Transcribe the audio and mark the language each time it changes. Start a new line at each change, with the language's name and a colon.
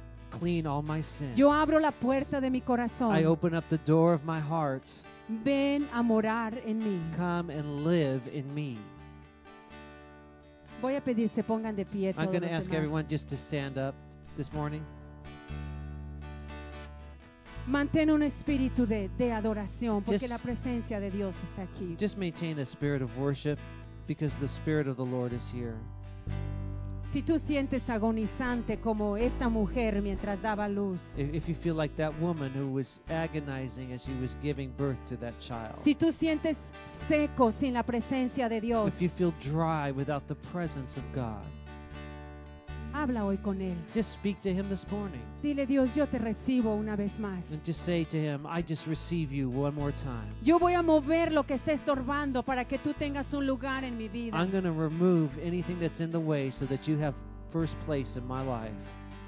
English: Clean all my sin.
Spanish: Yo abro la puerta de mi corazón.
English: I open up the door of my heart.
Spanish: Ven a morar en mí.
English: Come and live in me.
Spanish: voy a pedir se pongan de pie.
English: I'm going to ask everyone just to stand up this morning.
Spanish: Mantén un espíritu de adoración porque la presencia de Dios está aquí.
English: Just maintain a spirit of worship because the spirit of the Lord is here.
Spanish: Si tú sientes agonizante como esta mujer mientras daba luz.
English: If you feel like that woman who was agonizing as she was giving birth to that child.
Spanish: Si tú sientes seco sin la presencia de Dios.
English: If you feel dry without the presence of God.
Spanish: Habla hoy con él.
English: Just speak to him this morning.
Spanish: Dile, Dios, yo te recibo una vez más.
English: And just say to him, I just receive you one more time.
Spanish: Yo voy a mover lo que esté estorbando para que tú tengas un lugar en mi vida.
English: I'm going to remove anything that's in the way so that you have first place in my life.